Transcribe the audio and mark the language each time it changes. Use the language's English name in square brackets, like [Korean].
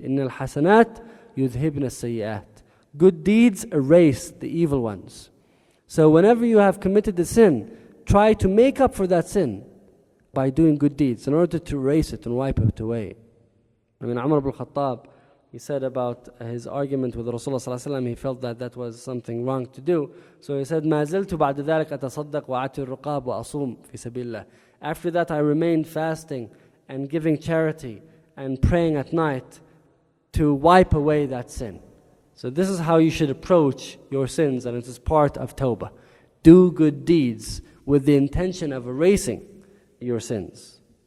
[Arabic] Inna al-hasanat yudhibna al-sayyat. [English] Good deeds erase the evil ones. So whenever you have committed a sin, try to make up for that sin by doing good deeds in order to erase it and wipe it away. I mean, Umar ibn al-Khattab, he said about his argument with Rasulullah sallallahu alaihi wasallam, he felt that that was something wrong to do. So he said, [Arabic] مَا زِلْتُ بَعْدَ ذَلَكَ أَتَصَدَّقْ وَعَتِ الرُّقَابُ وَأَصُومْ فِي سَبِيلِ اللَّهِ. [English] After that, I remained fasting and giving charity and praying at night to wipe away that sin. So this is how you should approach your sins, and it is part of tawbah. Do good deeds with the intention of erasing your sins.